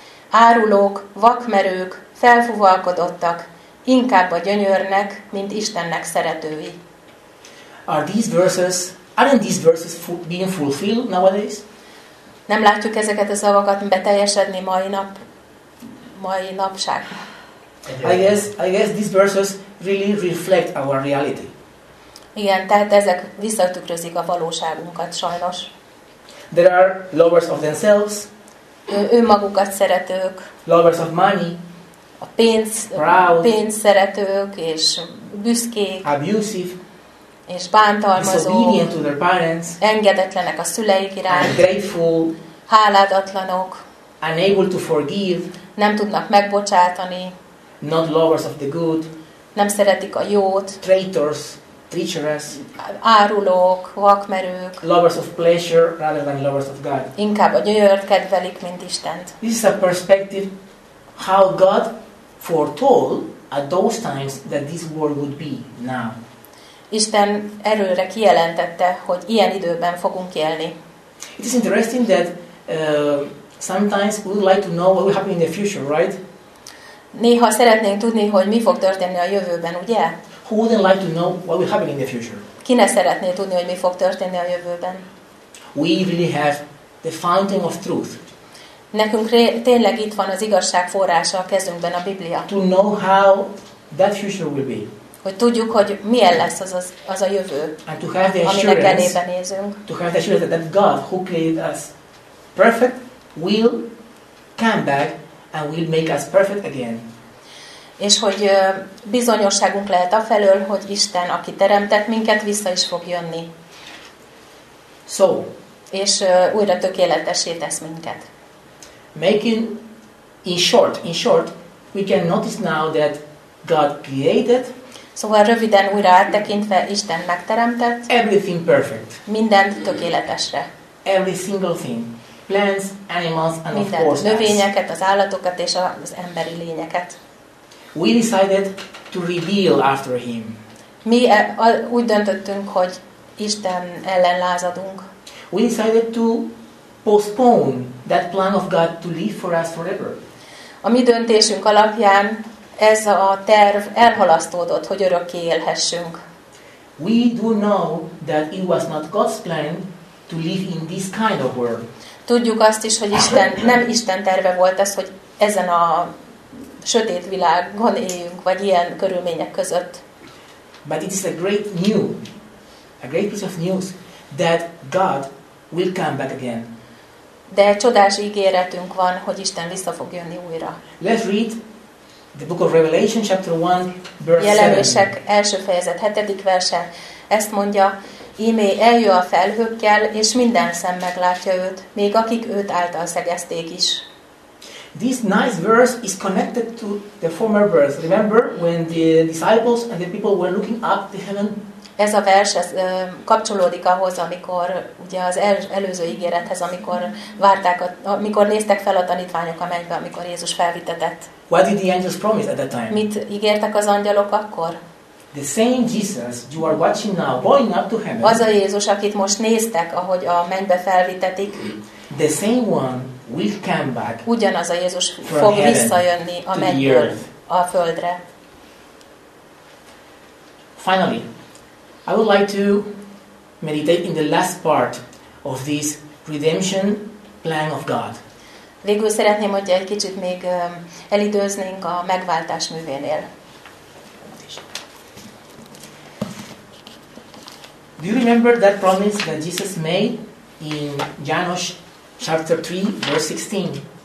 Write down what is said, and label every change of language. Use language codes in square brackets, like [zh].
[hu] Árulók, vakmerők, felfuvalkodottak, inkább a gyönyörnek, mint Istennek szeretői. [en] aren't these verses being fulfilled nowadays? [hu] Nem látjuk ezeket a szavakat beteljesedni mai napság. [en] I guess these verses really reflect our reality. [hu] Igen, tehát ezek visszatükrözik a valóságunkat, sajnos. [en] There are lovers of themselves. [hu] Önmagukat szeretők. [en] Lovers of money. [hu] A pénz, [en] proud, [hu] pénz szeretők és büszkék. [en] Abusive. [hu] És bántalmazók. [en] Disobedient to their parents. [hu] Engedetlenek a szüleik iránt. [en] Ungrateful. [hu] Hálátlanok. [en] Unable to forgive. [hu] Nem tudnak megbocsátani. [en] Not lovers of the good. [hu] Nem szeretik a jót. [en] Traitors. Treacherous. [hu] Árulók, vakmerők. [en] Lovers of pleasure rather than lovers of God. [hu] Inkább a gyönyört kedvelik, mint Istent. [en] This is a perspective how God foretold at those times that this world would be now. [hu] Isten erőre kijelentette, hogy ilyen időben fogunk élni. [en] It is interesting that sometimes we would like to know what will happen in the future, right? [hu] Néha szeretnénk tudni, hogy mi fog történni a jövőben, ugye? [en] Who wouldn't like to know what will happen in the future? [hu] Ki ne szeretné tudni, hogy mi fog történni a jövőben? [en] We really have the fountain of truth. [hu] Nekünk tényleg itt van az igazság forrása a kezünkben, a Biblia. [en] To know how that future will be. [hu] Hogy tudjuk, hogy milyen lesz az a jövő, aminek elébe nézünk. [en] To have the assurance that God, who created us perfect, will come back and will make us perfect again. [hu] És hogy bizonyosságunk lehet afelől, hogy Isten, aki teremtett minket, vissza is fog jönni. [en] So, [hu] és újra tökéletessé tesz minket. [en] In short, we can notice now that God created. [hu] Szóval röviden újra áttekintve, Isten megteremtett. [en] Everything perfect. [hu] Mindent tökéletesre. [en] Every single thing. Plants, animals, and [hu] mindent, [en] of course us. [hu] Növényeket, az állatokat és az emberi lényeket. [en] We decided to reveal after him. [hu] Mi úgy döntöttünk, hogy Isten ellen lázadunk. [en] We decided to postpone that plan of God to live for us forever. [hu] A mi döntésünk alapján ez a terv elhalasztódott, hogy örökké élhessünk. [en] We do know that it was not God's plan to live in this kind of world. [hu] Tudjuk azt is, hogy Isten, nem Isten terve volt ez, hogy ezen a sötét világon éljünk, vagy ilyen körülmények között. [en] But it is a great piece of news that God will come back again. [hu] De csodás ígéretünk van, hogy Isten vissza fog jönni újra. [en] Let's read the book of Revelation chapter 1 verse 7. [hu] Jelenések első fejezet 7. verse. Ezt mondja: Ímé eljö a felhőkkel, és minden szem meglátja őt, még akik őt által szegezték is. [en] This nice verse is connected to the former verse. Remember when the disciples and the people were looking up to heaven? [hu] Ez a vers kapcsolódik ahhoz, amikor ugye az előző ígérethez, amikor néztek fel a tanítványok a mennybe, amikor Jézus felvitetett. [en] What did the angels promise at that time? [hu] Mit ígértek az angyalok akkor? [en] The same Jesus you are watching now going up to heaven. [hu] Az a Jézus, akit most néztek, ahogy a mennybe felvitetik. [en] The same one will come back. [hu] Ugyanaz a Jézus fog visszajönni a mennyből a földre. [en] Finally, I would like to meditate in the last part of this redemption plan of God. [hu] Végül szeretném, hogy egy kicsit még elidőznénk a megváltás művénél. [en] Do you remember that promise that Jesus made in János chapter 3, verse 16?